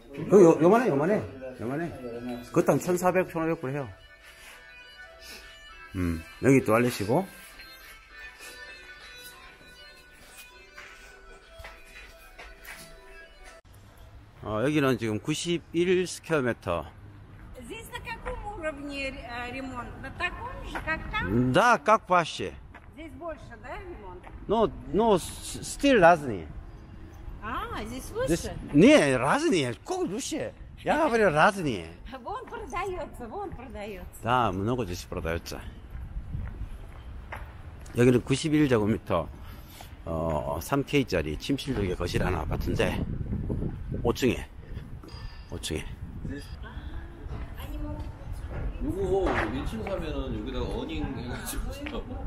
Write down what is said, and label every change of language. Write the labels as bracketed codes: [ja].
[ko] 그 요만해, 요만해. 요만해. 그것도 한 1400, 1500불 해요. 여기 뚜알리시고. 여기는 지금 91스퀘어미터. [ru] Здесь на каком уровне ремонт? На таком же, как там? Да, как вообще. Здесь больше, да, ремонт? Ну, стиль разный. А, здесь лучше? Здесь... Не, разные, как лучше. Я говорю, разные. Вон продается. Да, много здесь продается. [ko] 여기는 91제곱미터, 3K짜리 침실 두 개 거실 하나 같은데. 5층에. 5층에. 아니 뭐. 요거 1층 사면은 여기다가 어닝 해가지고.